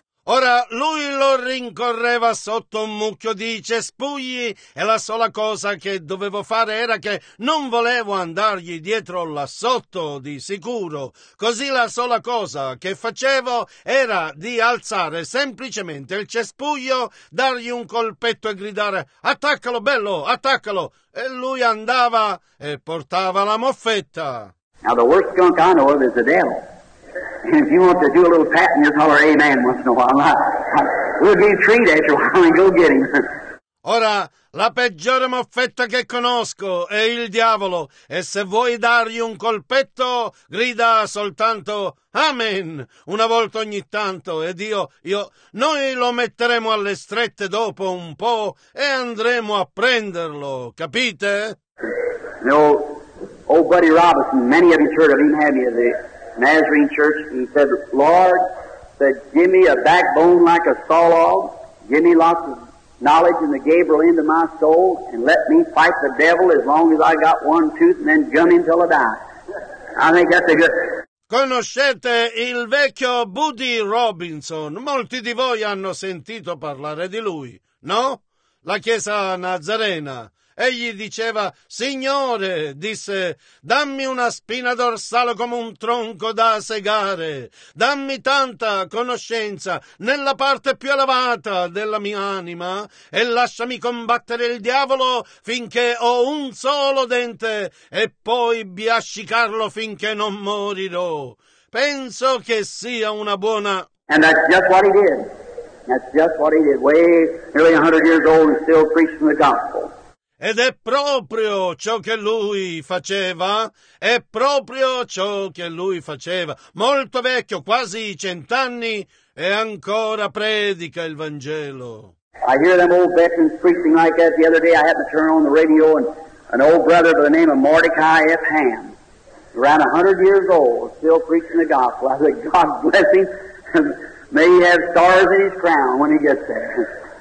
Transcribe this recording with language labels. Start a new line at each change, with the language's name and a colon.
Italian: Ora lui lo rincorreva sotto un mucchio di cespugli e la sola cosa che dovevo fare era che non volevo andargli dietro là sotto di sicuro. Così la sola cosa che facevo era di alzare semplicemente il cespuglio, dargli un colpetto e gridare «Attaccalo, bello, attaccalo!» e lui andava e portava la moffetta.
English: Now the worst skunk I know of is the devil. If you want to do a little pat and just holler amen once in a while, we'll be treated after a while and go get him.
Italian: Ora, la peggiore moffetta che conosco è il diavolo, e se vuoi dargli un colpetto, grida soltanto amen, una volta ogni tanto, ed io, noi lo metteremo alle strette dopo un po' e andremo a prenderlo, capite?
English: No, old Buddy Robinson, many of you heard of him, have you? Nazarene Church, he said, Lord, said, give me a backbone like a saw log, give me lots of knowledge in the Gabriel into my soul, and let me fight the devil as long as I got one tooth and then gum him till I die. I think that's a good...
Italian: Conoscete il vecchio Buddy Robinson? Molti di voi hanno sentito parlare di lui, no? La chiesa nazarena. Egli diceva, Signore, disse, dammi una spina dorsale come un tronco da segare, dammi tanta conoscenza nella parte più elevata della mia anima e lasciami combattere il diavolo finché ho un solo dente e poi biascicarlo finché non morirò. Penso che sia una buona...
English: And that's just what he did. That's just what he did. Way nearly 100 years old and still preaching the gospel.
Italian: Ed è proprio ciò che lui faceva, è proprio ciò che lui faceva. Molto vecchio, quasi 100 anni, e ancora predica il Vangelo.
English: I hear them old veterans preaching like that. The other day I happened to turn on the radio and an old brother by the name of Mordecai F. Ham, around 100 years old, still preaching the gospel. I said, God bless him. May he have stars in his crown when he gets there.